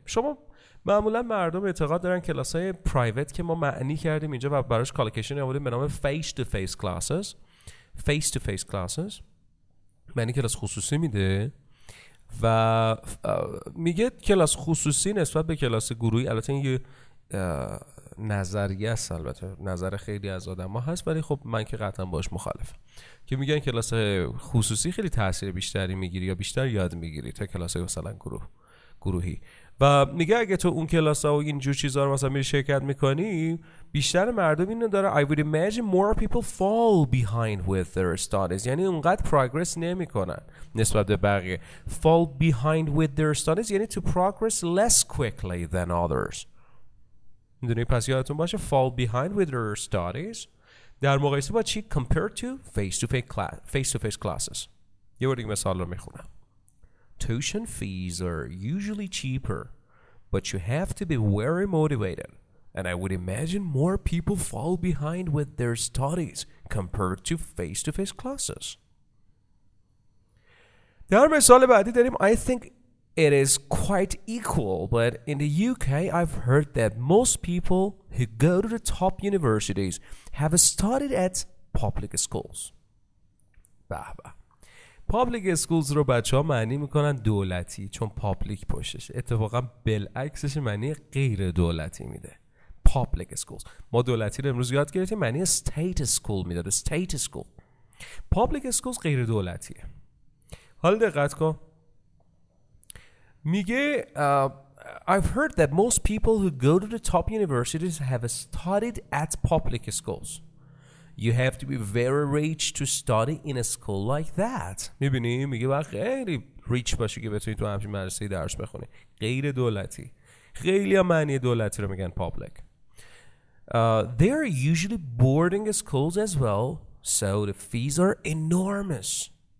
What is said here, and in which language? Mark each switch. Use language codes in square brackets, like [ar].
[fa] شما معمولا مردم اعتقاد دارن کلاس های پرایوت که ما معنی کردیم اینجا و براش کالکشن آوردیم به نام face to face classes معنی کلاس خصوصی میده و میگه کلاس خصوصی نسبت به کلاس گروهی، البته این یه نظریه است، البته نظر خیلی از آدم ها هست، ولی خب من که قطعا باش مخالفم، که میگن کلاس خصوصی خیلی تاثیر بیشتری میگیری یا بیشتر یاد میگیری تا کلاس مثلا گروه. گروهی. و میگه اگه تو اون کلاس ها و اینجور چیزا رو مثلا میری شرکت میکنی، بیشتر مردم اینو داره، I would imagine more people fall behind with their studies، یعنی اونقدر پروگرس نمی کنن نسبت به بقیه. [en] Fall behind with their studies یعنی to progress less quickly than others. [fa] میدونی؟ پس یادتون باشه fall behind with their studies در مقایسه با چی؟ Compared to face-to-face classes. یه بار دیگه مثال رو میخونم. [en] Tuition fees are usually cheaper, but you have to be very motivated. And I would imagine more people fall behind with their studies compared to face-to-face classes. در مثال بعدی داریم I think it is quite equal, but in the UK I've heard that most people who go to the top universities have studied at public schools. [fa] بابا پابلیک اسکولز رو بچه ها معنی میکنن دولتی، چون پابلیک پشتش، اتفاقا بلعکسش معنی غیر دولتی میده. پابلیک اسکولز، ما دولتی رو امروز یاد گرفتیم معنی استیت اسکول میداده، استیت اسکول. پابلیک اسکولز غیر دولتیه. [en] حالا دقت کن، میگه I've heard that most people who go to the top universities have studied at public schools. You have to be very rich to study in a school like that. [fa] میبینی؟ میگه باید خیلی ریچ باشی که بتونی تو همچین مدرسه درس بخونی. غیر دولتی. خیلی ها معنی دولتی رو میگن public. [en] They are usually boarding schools as well, so the fees are enormous.